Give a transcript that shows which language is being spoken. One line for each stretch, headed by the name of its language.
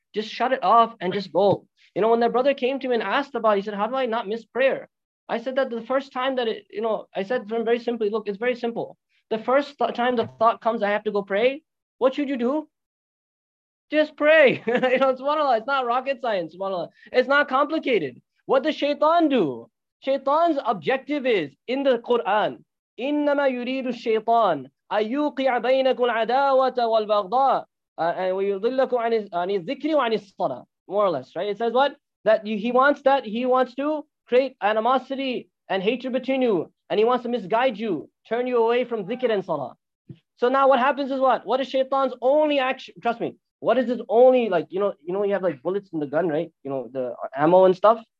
English: Just shut it off and just go. You know, when that brother came to me and asked about it, he said, how do I not miss prayer? I said that the first time that it, you know, I said very simply, look, it's very simple. The first time the thought comes, I have to go pray. What should you do? Just pray. You know, subhanAllah, it's not rocket science, subhanAllah. It's not complicated. What does shaitan do? Shaitan's objective is, in the Quran,
Arabic: إِنَّمَا يُرِيدُ الشَّيْطَانُ أَيُّقِعَ بَيْنَكُ الْعَدَاوَةَ وَالْبَغْضَاءَ وَيُضِلَّكُ عَنِ الذِّكْرِ وَعَنِ الصَّلَاةِ.
English: More or less, right? It says what? He wants to create animosity and hatred between you, and he wants to misguide you, turn you away from dhikr and salah. So now what happens is what? What is shaitan's only action? Trust me. What is his only, like, you know, you have like bullets in the gun, right? You know, the ammo and stuff.